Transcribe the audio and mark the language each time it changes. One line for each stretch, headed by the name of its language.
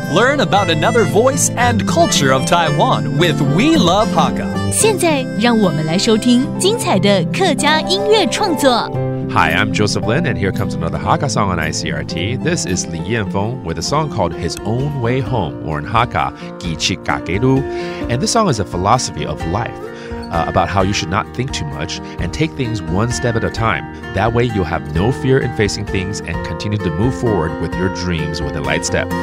English: Learn about another voice and culture of Taiwan with We Love Hakka。
Chinese: 现在让我们来收听精彩的客家音乐创作。
English: Hi, I'm Joseph Lin, and here comes another Hakka song on ICRT. This is Li Yanfeng with a song called His Own Way Home, or in Hakka, 叽叽嘎嘎路. And this song is a philosophy of life, about how you should not think too much and take things one step at a time. That way you'll have no fear in facing things and continue to move forward with your dreams with a light step.